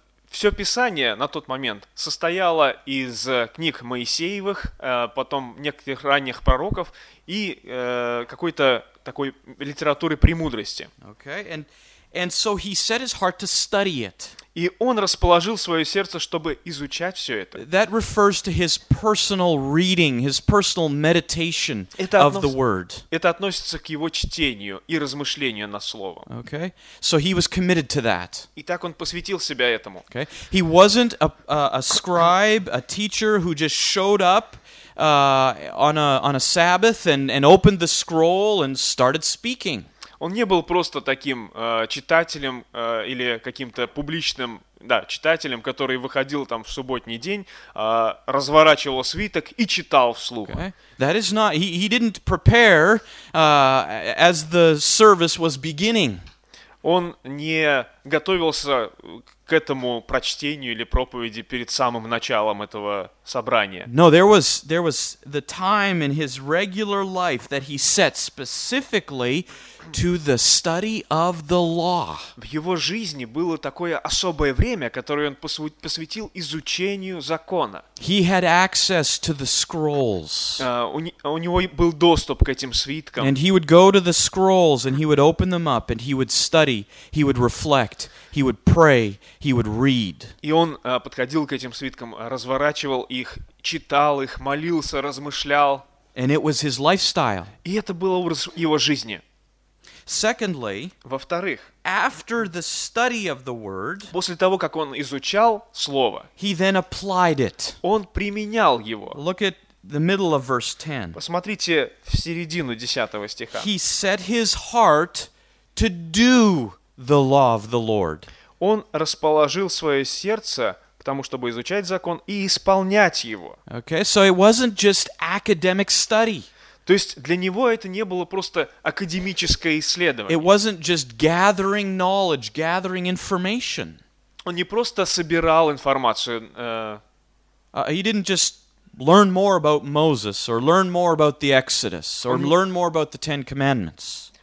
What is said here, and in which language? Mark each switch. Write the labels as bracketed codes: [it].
[ru] Все Писание на тот момент состояло из книг Моисеевых, потом некоторых ранних пророков и какой-то такой литературы премудрости. [en] Okay. And so he set his heart to study it. [ru] И он расположил свое сердце, чтобы изучать все это. [en] That refers to his personal reading, his personal meditation of the word. [ru] Это относится к его чтению и размышлению над словом. [en] Okay. So he was committed to that. [ru] И так он посвятил себя этому. [en] Okay. He wasn't a scribe, a teacher who just showed up on a Sabbath and opened the scroll and started speaking. [ru] Он не был просто таким читателем или каким-то публичным, да, читателем, который выходил там в субботний день, разворачивал свиток и читал вслух. [en] Okay. That is not, he didn't prepare as the service was beginning. [ru] Он не готовился к этому прочтению или проповеди перед самым началом этого собрания. [en] No, there was the time in his regular life that he set specifically to the study of the law. [ru] В его жизни было такое особое время, которое он посвятил изучению закона. [en] He had access to the scrolls. [ru] У него был доступ к этим свиткам. [en] And he would go to the scrolls and he would open them up and he would study, he would reflect, he would pray, he would read. [ru] И он подходил к этим свиткам, разворачивал их, читал их, молился, размышлял. [en] And it was his lifestyle. [ru] И это был образ его жизни. [en] Secondly, [ru] во-вторых, [en] after the study of the word, [ru] после того, как он изучал слово, [en] he then applied it. [ru] Он применял его. [en] Look at the middle of verse 10. [ru] Посмотрите в середину 10 стиха. [en] He set his heart to do the law of the Lord. [ru] Он расположил свое сердце к тому, чтобы изучать закон и исполнять его. [en] Okay, so it wasn't just academic study. [ru] То есть для него это не было просто академическое исследование. [en] It wasn't just gathering knowledge, gathering information. [ru] Он не просто собирал информацию. [en] He didn't just learn more about Moses or learn more about the Exodus or learn more about the Ten Commandments.